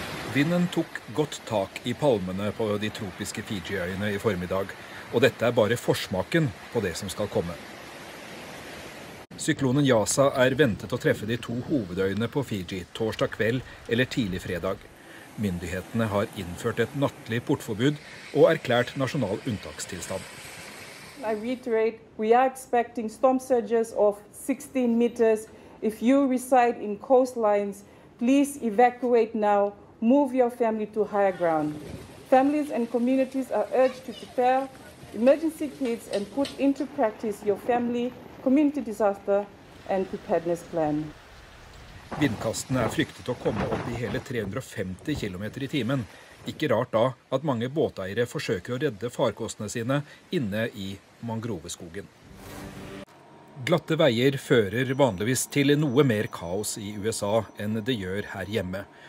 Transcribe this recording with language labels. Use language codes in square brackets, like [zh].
[no] Vinden tok godt tak i palmene på de tropiske Fiji-øyene i formiddag, og dette er bare forsmaken på det som skal komme. Syklonen Yasa er ventet å treffe de to hovedøyene på Fiji torsdag kveld eller tidlig fredag. Myndighetene har innført et nattlig portforbud og erklært nasjonal unntakstilstand. [en] I reiterate, we are expecting storm surges of 16 meters. If you reside in coastlines, please evacuate now. Move your family to higher ground. Families and communities are urged to prepare emergency kits and put into practice your family community disaster and preparedness plan. [no] Vindkastene er fryktet å komme opp i hele 350 km i timen. Ikke rart da at mange båteiere forsøker å redde farkostene sine inne i mangroveskogen. Glatte veier fører vanligvis til noe mer kaos i USA enn det gjør her hjemme.